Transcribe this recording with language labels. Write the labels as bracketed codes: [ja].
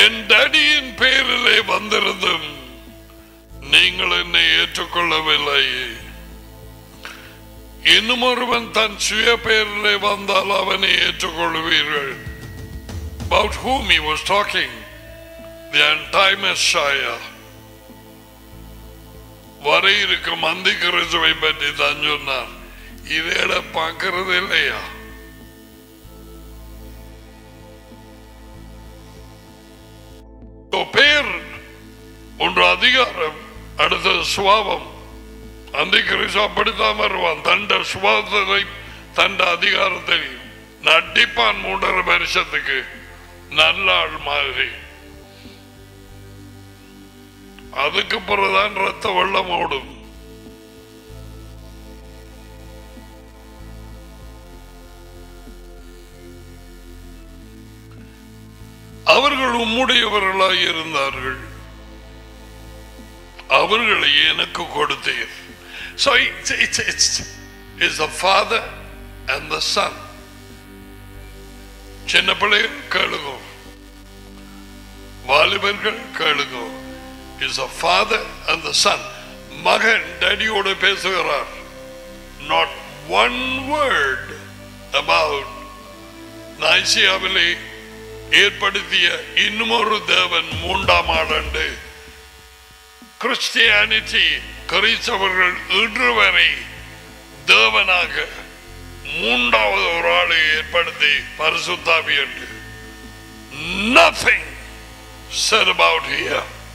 [ta] டடியின் பேரிலே வந்திருந்தும் நீங்கள் என்னை ஏற்றுக்கொள்ளவில்லை. இன்னும் ஒருவன் தன் சுய பெயரிலே வந்தால் அவனை ஏற்றுக்கொள்வீர்கள். [en] About whom he was talking? The anti-messiah. [ta] வர இருக்கும் அந்திக்கிறிஸ்துவை பற்றி தான் சொன்னார். இதேட பார்க்கறது இல்லையா? பேர் ஒன்று அதிகாரம், அடுத்தது சுபாவம். அந்திக்கிறிஸ்து அப்படித்தான் வருவான். தண்ட சுபாவத்தை தண்ட அதிகாரத்தை நடிப்பான். 3.5 வருஷத்துக்கு நல்ல ஆள் மாதிரி. அதுக்கு பிறகுதான் ரத்த வெள்ளம் ஓடும். அவர்கள் உம்முடையவர்களாக இருந்தார்கள், அவர்களை எனக்கு கொடுத்தீர். [en] So it's the father and the son. [ta] சின்ன பிள்ளைகள் கேளுங்க, வாலிபர்கள் கேளுங்க. [en] It's the father and the son. [ta] மகன் டாடியோடு பேசுகிறார். [en] Not one word about [ta] நைசியாவிலே ஏற்படுத்திய இன்னொரு தேவன் மூண்டாம் ஆளண்டு. கிறிஸ்டியானிட்டி, கிறிஸ்தவர்கள் இன்று வரை தேவனாக மூன்றாவது ஒரு ஆளை ஏற்படுத்தி பரிசுத்தாவி என்று. [en] Nothing said about here.